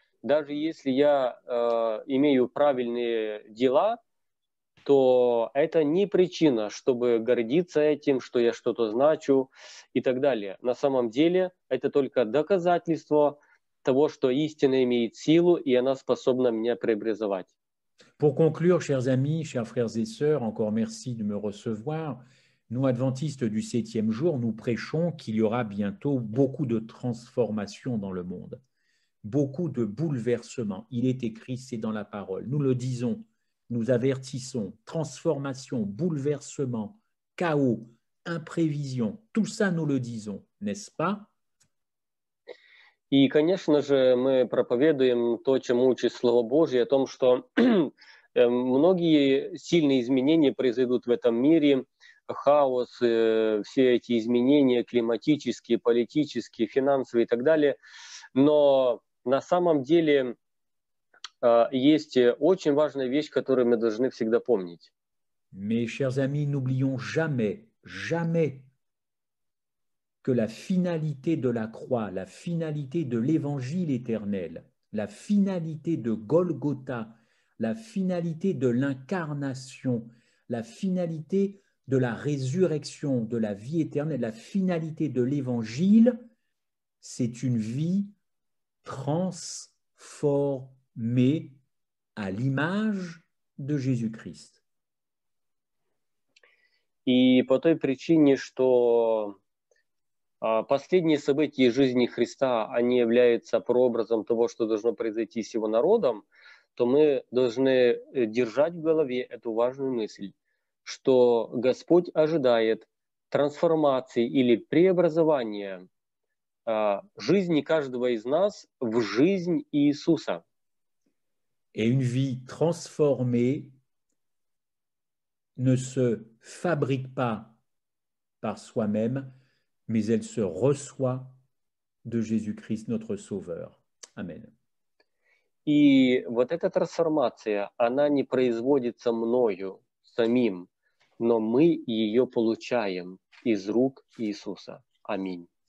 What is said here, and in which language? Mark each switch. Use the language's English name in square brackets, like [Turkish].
[Russian] Даже если я имею правильные дела, то это не причина, чтобы гордиться этим, что я что-то значу и так далее. На самом деле это только доказательство того, что истина имеет силу, и она способна меня преобразовать. [French] Pour conclure, chers amis, chers frères et sœurs, encore merci de me recevoir. Nous, adventistes du septième jour, nous prêchons qu'il y aura bientôt beaucoup de transformations dans le monde. Beaucoup de bouleversements. Il est écrit, c'est dans la parole. Nous le disons, nous avertissons, transformation, bouleversement, chaos, imprévision, tout ça nous le disons, n'est-ce pas? [Russian] И, конечно же, мы проповедуем то, чему учит Слово Божие, о том, что многие сильные изменения произойдут в этом мире, хаос, все эти изменения климатические, политические, финансовые и так далее. Но на самом деле есть очень важная вещь, которую мы должны всегда помнить. [French] Mes chers amis, n'oublions jamais, jamais que la finalité de la croix, la finalité de l'évangile éternel, la finalité de Golgotha, la finalité de l'incarnation, la finalité de la résurrection, de la vie éternelle, la finalité de l'évangile, c'est une vie transformée à l'image de Jésus-Christ. Et pour toute raison que [Russian] последние события жизни Христа, они являются прообразом того, что должно произойти с его народом, то мы должны держать в голове эту важную мысль, что Господь ожидает трансформации или преобразования жизни каждого из нас в жизнь Иисуса. [French] Et une vie transformée ne se fabrique pas par soi-même, mais elle se reçoit de Jésus-Christ, notre Sauveur. Amen. [Russian] И вот эта трансформация, она не производится мною самим, но мы ее получаем из рук Иисуса. Аминь.